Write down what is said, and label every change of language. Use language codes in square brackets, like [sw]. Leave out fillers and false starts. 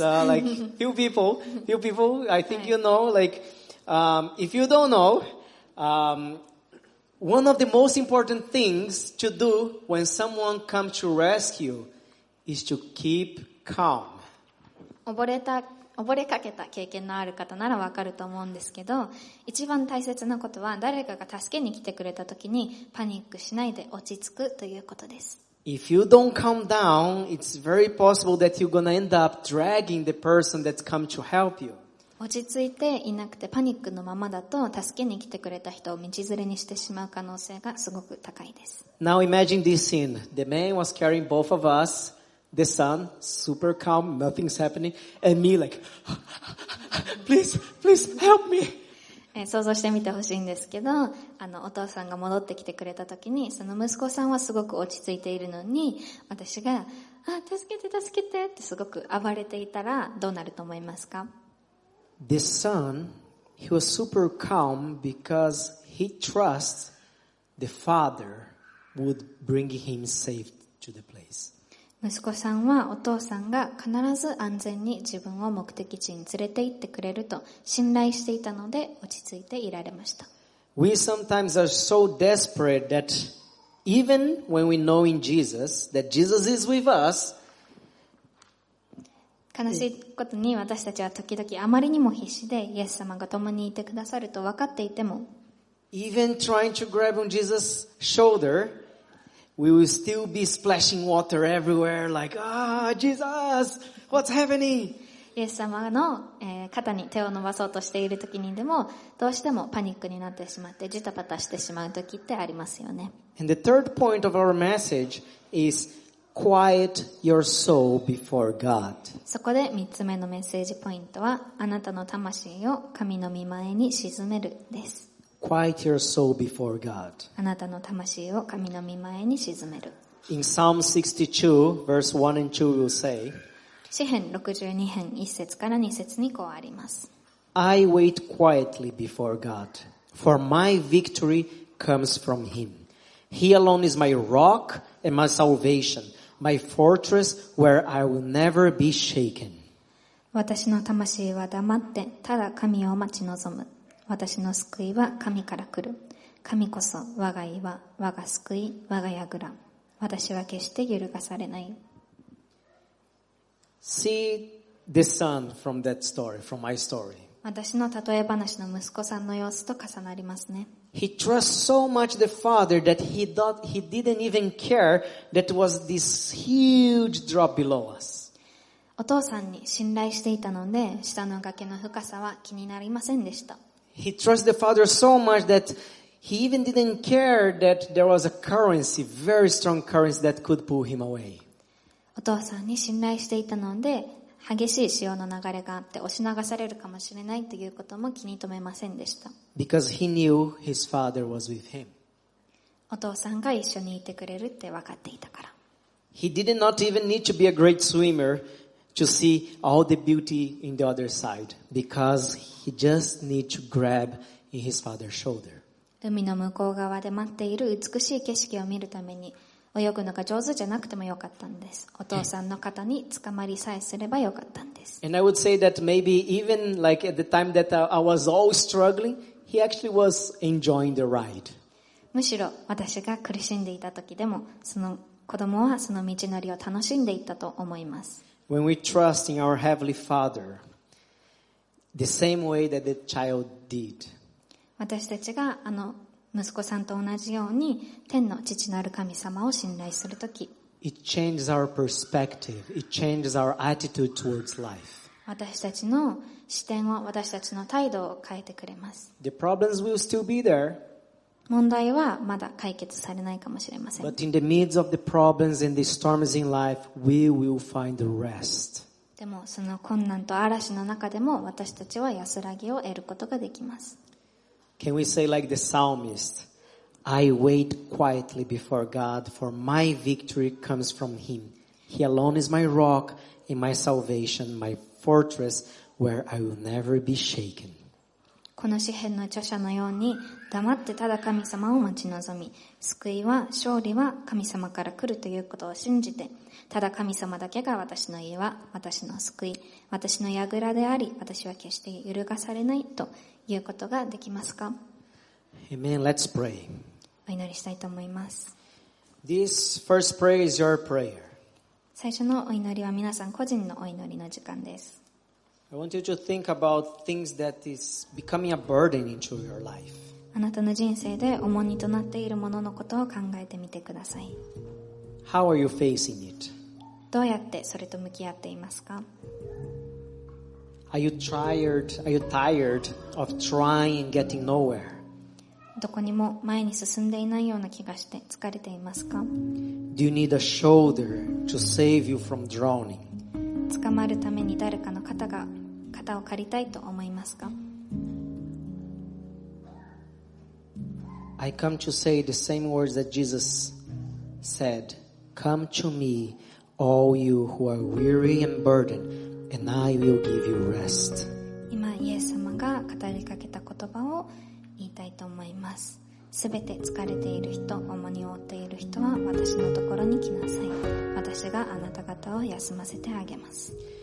[en] It is like few people. I think you know, like, if you don't know,one of the most important things to do when someone comes to rescue is to keep calm. [ja] 溺れた溺れかけた経験のある方ならわかると思うんですけど、一番大切なことは誰かが助けに来てくれた時にパニックしないで落ち着くということです。 [en] If you don't calm down, it's very possible that you're gonna end up dragging the person that's come to help you. [ja] 落ち着いていなくてパニックのままだと助けに来てくれた人を道連れにしてしまう可能性がすごく高いです。 [en] Now imagine this scene. The man was carrying both of us. The sun, super calm, nothing's happening, and me like, please, please help me. [ja] 想像してみてほしいんですけど、お父さんが戻ってきてくれた時に、その息子さんはすごく落ち着いているのに、私が、あ、助けて助けてってすごく暴れていたらどうなると思いますか？ [en] The son, he was super calm because he trusts the father would bring him safe to the place. [ja] 息子さんはお父さんが必ず安全に自分を目的地に連れて行ってくれると信頼していたので落ち着いていられました。 [en] We sometimes are so desperate that even when we know in Jesus that Jesus is with us, [ja] 悲しいことに私たちは時々あまりにも必死でイエス様が共にいてくださると分かっていても、 [en] Even trying to grab on Jesus' shoulder. We will still be splashing water everywhere, like, ah, Jesus, what's happening? [ja] イエス様の肩に手を伸ばそうとしている時にでも、どうしてもパニックになってしまって、ジタバタしてしまう時ってありますよね。 [en] And the third point of our message is quiet your soul before God. [ja] そこで3つ目のメッセージポイントは、あなたの魂を神の御前に沈めるです。 [en] Quiet your soul before God. [ja] あなたの魂を神の御前に沈める。 [en] In Psalm 62, verse 1 and 2, we'll say, [ja] 詩編62編1節から2節にこうあります。 [en] I wait quietly before God, for my victory comes from Him. He alone is my rock and my salvation, my fortress where I will never be shaken. [ja] 私の魂は黙って、ただ神を待ち望む。私の救いは神から来る。神こそ我が岩、我が救い、我が櫓。私は決して揺るがされない。 [en] See the son from that story, from my story. [ja] 私の例え話の息子さんの様子と重なりますね。 [en] He trusts so much the father that he thought he didn't even care that was this huge drop below us. [ja] お父さんに信頼していたので、下の崖の深さは気になりませんでした。 [en] He trusts the father so much that he even didn't care that there was a currency, very strong currency that could pull him away. [ja] お父さんに信頼していたので、激しい潮の流れがあって押し流されるかもしれないということも気に留めませんでした。 [en] Because he knew his father was with him. [ja] お父さんが一緒にいてくれるって分かっていたから。 [en] He did not even need to be a great swimmer. To see all the beauty in the other side, because he just needs to grab in his father's shoulder. [ja] 海の向こう側で待っている美しい景色を見るために、泳ぐのが上手じゃなくてもよかったんです。お父さんの肩に捕まりさえすればよかったんです。 [en] And I would say that maybe even like at the time that I was all struggling, he actually was enjoying the ride. [ja] むしろ私が苦しんでいた時でも、その子供はその道のりを楽しんでいたと思います。 [en] When we trust in our Heavenly Father, the same way that the child did. [ja] 私たちがあの息子さんと同じように天の父なる神様を信頼するとき、 [en] It changes our perspective. It changes our attitude towards life. [ja] 私たちの視点を私たちの態度を変えてくれます。 [en] The problems will still be there. [ja] 問題はまだ解決されないかもしれません。 [en] But in the midst of the problems and the storms in life, we will find rest. [ja] でもその困難と嵐の中でも私たちは安らぎを得ることができます。 [en] Can we say like the psalmist, I wait quietly before God, for my victory comes from Him. He alone is my rock and my salvation, my fortress where I will never be shaken. [ja] この詩編の著者のように黙ってただ神様を待ち望み救いは勝利は神様から来るということを信じてただ神様だけが私の家は私の救い私の櫓であり私は決して揺るがされないということができますか [en] Amen. Let's pray. [ja] お祈りしたいと思います [en] This first prayer is your prayer. [ja] 最初のお祈りは皆さん個人のお祈りの時間です [en] I want you to think about things that is becoming a burden into your life. [ja] あなたの人生で重荷となっているもののことを考えてみてください。 [en] How are you facing it? [ja] どうやってそれと向き合っていますか? [en] Are you tired? Are you tired of trying and getting nowhere? [ja] どこにも前に進んでいないような気がして疲れていますか? [en] Do you need a shoulder to save you from drowning? [ja] 捕まるために誰かの肩を借りたいと思いますか? [en] I come to say the same words that Jesus said. Come to me, all you who are weary and burdened, and I will give you rest. [ja] 今イエス様が語りかけた言葉を言いたいと思います。すべて疲れている人、重荷を負っている人は私のところに来なさい。私があなた方を休ませてあげます。